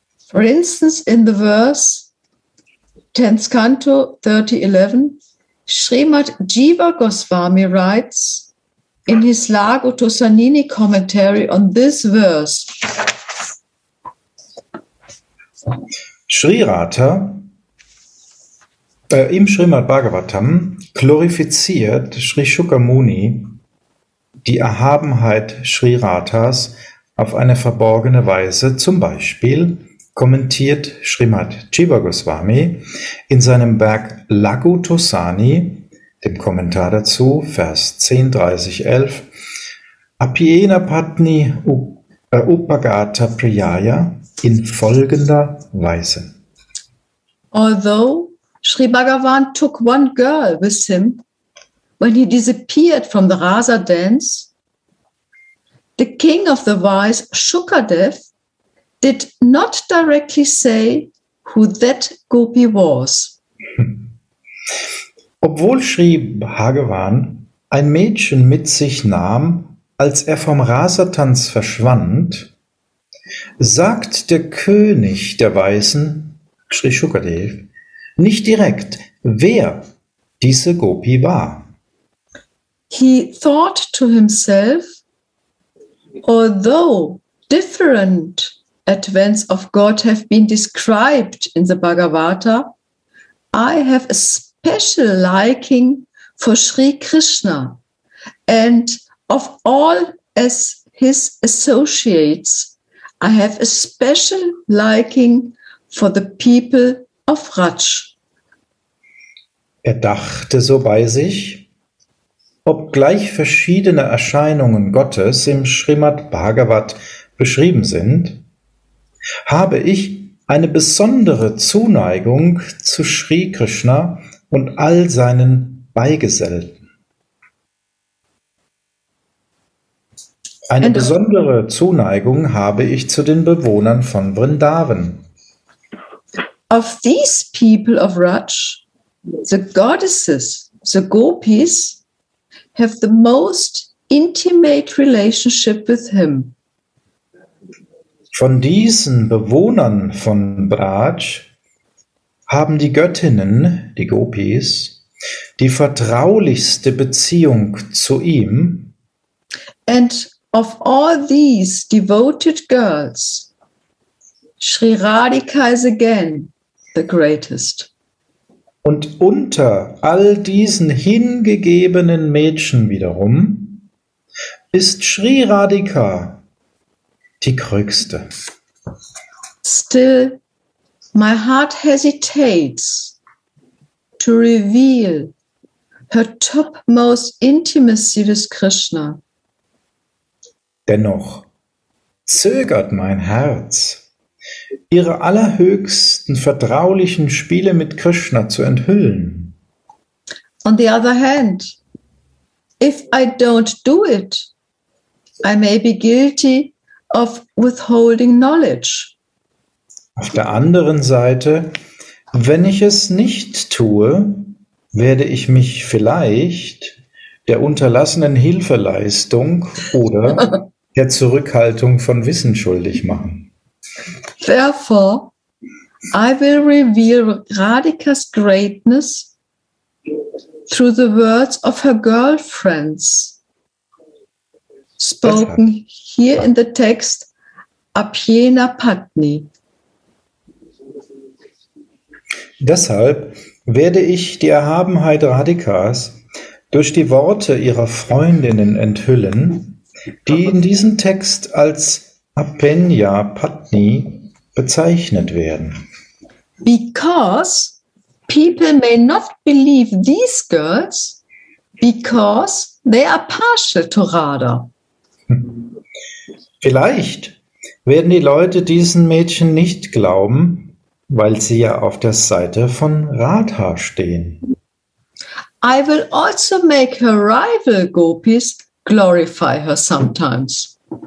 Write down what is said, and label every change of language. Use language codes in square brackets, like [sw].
[en] For instance, in the verse 10th Canto 30.11, Srimad Jiva Goswami writes in his Lago Tosanini commentary on this verse. [de] Sri Radha im Srimad Bhagavatam glorifiziert Sri Shukamuni die Erhabenheit Sri Radhas auf eine verborgene Weise. Zum Beispiel kommentiert Srimad Jiva Goswami in seinem Werk Lagu Tosani, dem Kommentar dazu, Vers 10, 30, 11, Apiena Patni Upagata Priyaya in folgender Weise. [en] Although Sri Bhagavan took one girl with him when he disappeared from the Rasa dance, the king of the wise Shukadev did not directly say who that Gopi was. [de] Obwohl Sri Bhagavan ein Mädchen mit sich nahm, als er vom Rasatanz verschwand, sagt der König der Weisen, Sri Shukadev, nicht direkt, wer diese Gopi war. [en] He thought to himself, although different advents of God have been described in the Bhagavata, I have a special liking for Sri Krishna and of all as his associates, I have a special liking for the people of Raj. [de] Er dachte so bei sich, obgleich verschiedene Erscheinungen Gottes im Srimad Bhagavat beschrieben sind, habe ich eine besondere Zuneigung zu Sri Krishna und all seinen Beigesellten. Eine besondere Zuneigung habe ich zu den Bewohnern von Vrindavan. [en] Of these people of Raj, the goddesses, the gopis, have the most intimate relationship with him. [de] Von diesen Bewohnern von Braj haben die Göttinnen, die Gopis, die vertraulichste Beziehung zu ihm. [en] And of all these devoted girls, Sri Radhika is again the greatest. [de] Und unter all diesen hingegebenen Mädchen wiederum ist Sri Radhika die größte. [en] Still, my heart hesitates to reveal her topmost intimacy with Krishna. [de] Dennoch zögert mein Herz, ihre allerhöchsten vertraulichen Spiele mit Krishna zu enthüllen. [en] On the other hand, if I don't do it, I may be guilty of withholding knowledge. [de] Auf der anderen Seite, wenn ich es nicht tue, werde ich mich vielleicht der unterlassenen Hilfeleistung oder der Zurückhaltung von Wissen schuldig machen. [en] Therefore, I will reveal Radhika's greatness through the words of her girlfriends, spoken here in the text, Apyena Patni. [de] Deshalb werde ich die Erhabenheit Radhikas durch die Worte ihrer Freundinnen enthüllen, die in diesem Text als Apyena Patni bezeichnet werden. [en] Because people may not believe these girls, because they are partial to Radha. [de] Vielleicht werden die Leute diesen Mädchen nicht glauben, weil sie ja auf der Seite von Radha stehen. [en] I will also make her rival gopis glorify her sometimes.